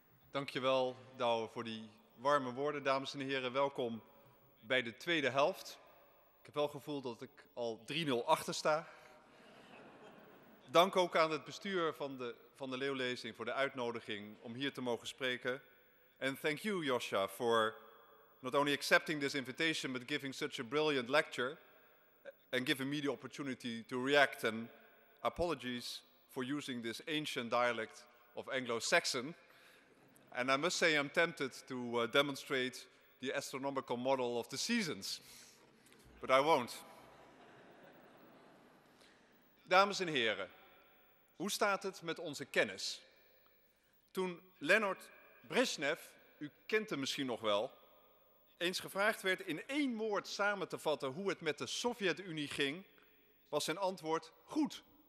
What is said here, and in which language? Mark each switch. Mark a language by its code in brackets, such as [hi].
[nl] Dankjewel, Douwe, voor die warme woorden. Dames en heren, welkom bij de tweede helft. Ik heb wel het gevoel dat ik al 3-0 achter sta. Dank ook aan het bestuur van de Van der Leeuw lezing voor de uitnodiging om hier te mogen spreken. En [en] thank you, Joshua, for not only accepting this invitation, but giving such a brilliant lecture and giving me the opportunity to react. And apologies for using this ancient dialect of Anglo-Saxon. And I must say I'm tempted to demonstrate the astronomical model of the seasons. But I won't. [nl] Dames en heren, hoe staat het met onze kennis? toen Leonard Brezhnev, u kent hem misschien nog wel, eens gevraagd werd in één woord samen te vatten hoe het met de Sovjet-Unie ging, was zijn antwoord goed.